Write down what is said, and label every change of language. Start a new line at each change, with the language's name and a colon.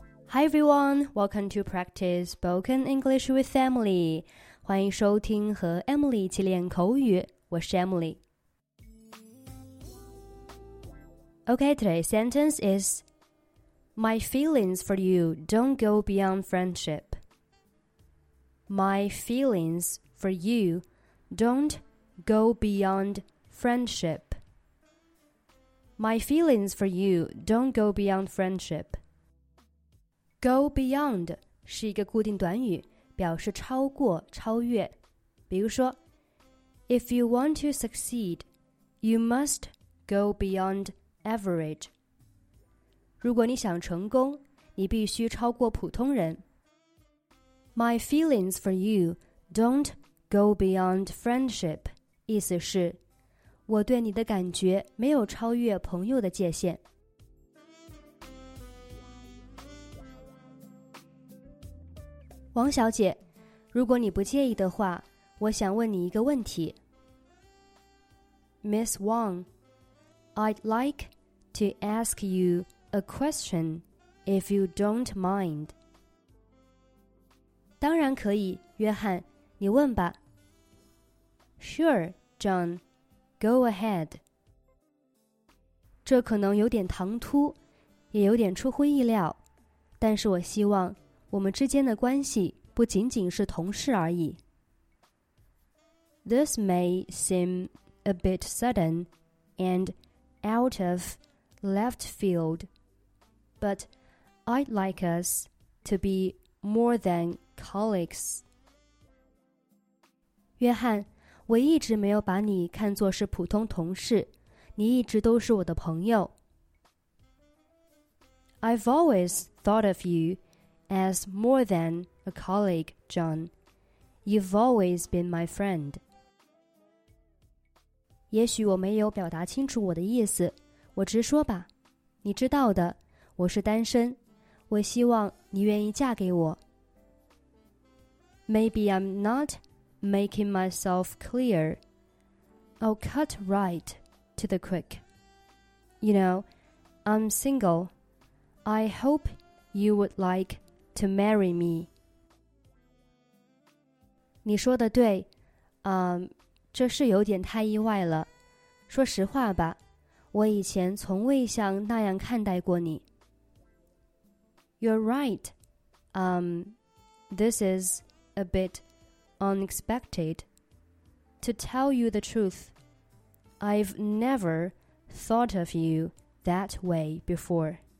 English: Hi everyone, welcome to practice spoken English with Emily.
Chinese: 欢迎收听和 Emily 一起练口语，我是 Emily.
English: Okay, today's sentence is My feelings for you don't go beyond friendship. My feelings for you don't go beyond friendship. My feelings for you don't go beyond friendship.
Chinese: Go beyond 是一个固定短语，表示超过、超越。比如说
English: ，If you want to succeed, you must go beyond average.
Chinese: 如果你想成功，你必须超过普通人。
English: My feelings for you don't go beyond friendship.
Chinese: 意思是，我对你的感觉没有超越朋友的界限。王小姐，如果你不介意的话，我想问你一个问题。
English: Miss Wang, I'd like to ask you a question if you don't mind.
Chinese: 当然可以，约翰，你问吧。
English: Sure, John, go ahead.
Chinese: 这可能有点唐突，也有点出乎意料，但是我希望我们之间的关系不仅仅是同事而已。
English: This may seem a bit sudden and out of left field, but I'd like us to be more than colleagues.
Chinese: 约翰，我一直没有把你看作是普通同事，你一直都是我的朋友。
English: I've always thought of you as more than a colleague, John. You've always been my friend.
Chinese: 也许我没有表达清楚我的意思，我直说吧。你知道的，我是单身，我希望你愿意嫁给我。
English: Maybe I'm not making myself clear. I'll cut right to the quick. You know, I'm single. I hope you would like to marry me.
Chinese: 你说的对，这是有点太意外了。说实话吧，我以前从未像那样看待过你。
English: You're right. This is a bit unexpected. To tell you the truth, I've never thought of you that way before.